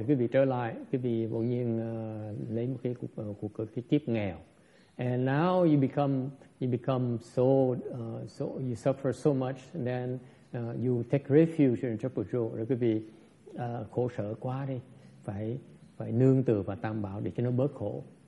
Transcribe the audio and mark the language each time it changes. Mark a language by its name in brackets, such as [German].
[Vietnamese] Quý vị trở lại, quý vị bỗng nhiên lấy một cái kiếp nghèo. [English] And now you become so you suffer so much, and then you take refuge in triple jewel. [Vietnamese] Rồi quý vị khổ sở quá đi, phải nương tựa vào tam bảo để cho nó bớt khổ.